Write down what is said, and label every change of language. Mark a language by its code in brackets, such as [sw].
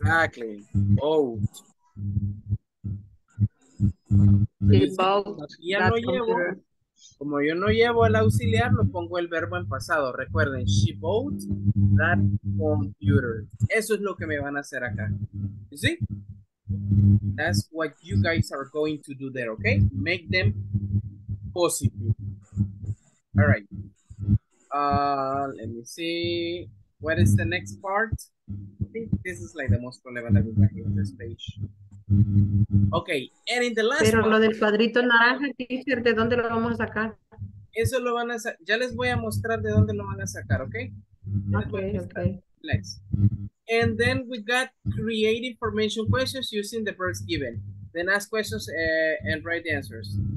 [en] Exactly. Bought. [es] Sí, ya no llevo, como yo no llevo el auxiliar, lo pongo el verbo en pasado. [en] Recuerden, she bought that computer. [es] Eso es lo que me van a hacer acá. ¿Sí? [en] That's what you guys are going to do there, okay? Make them positive. All right. Let me see. What is the next part? I think this is like the most relevant that we have in this page. Okay, and in the last [es] pero one, lo del cuadrito naranja, teacher, ¿de dónde lo vamos a sacar? Eso lo van a sacar, ya les voy a mostrar de dónde lo van a sacar, ¿ok? [en] Okay. And then we got creative formation questions using the verbs given. then ask questions and write the answers.